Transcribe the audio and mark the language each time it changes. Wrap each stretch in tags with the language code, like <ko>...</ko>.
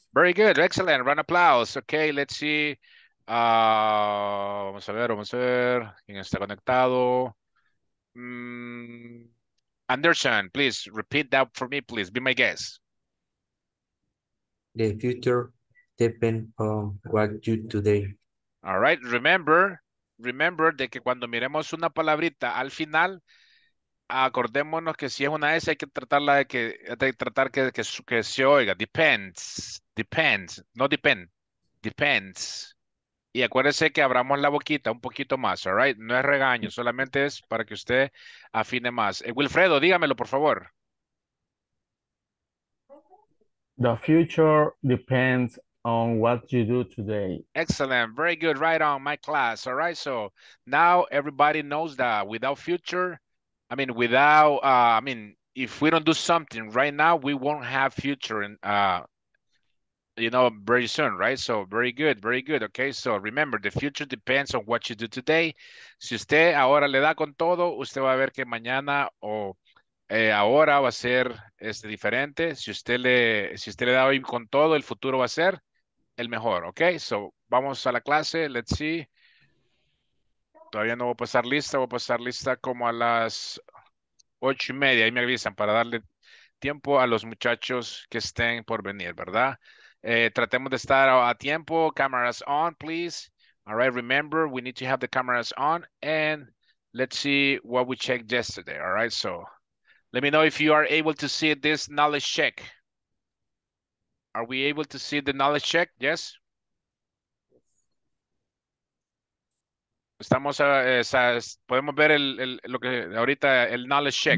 <en>Very good, excellent. Round of applause. Okay, let's see.</en> <es>Vamos a ver quién está conectado.</es> <en>Anderson, please repeat that for me, please. Be my guest. The future depends on what you do today. All right, remember</en> <es>de que cuando miremos una palabrita al final, acordémonos que si es una S hay que tratarla de que se oiga.</es> <en>Depends. Y acuérdese que abramos la boquita un poquito más, all right?</en> <es>No es regaño, solamente es para que usted afine más. Wilfredo, dígamelo, por favor.</es> <en>The future depends on what you do today. Excellent. Very good. Right on, my class. All right. So now everybody knows that if we don't do something right now, we won't have future in very soon, right? So very good, very good. Okay, so remember, the future depends on what you do today.</en> <es>Si usted ahora le da con todo, usted va a ver que mañana ahora va a ser diferente. Si usted le da hoy con todo, el futuro va a ser el mejor.</es> <en>Okay, so</en> <es>vamos a la clase.</es> <en>Let's see.</en> <es>Todavía no voy a pasar lista. Voy a pasar lista como a las 8:30. Ahí me avisan para darle tiempo a los muchachos que estén por venir, ¿verdad?</es> <en>Tratemos de estar a tiempo. Cameras on, please. All right, remember, we need to have the cameras on. And let's see what we checked yesterday. All right, so let me know if you are able to see this knowledge check. Are we able to see the knowledge check? Yes?</en> <es>Estamos a, podemos ver lo que ahorita el knowledge check.</es>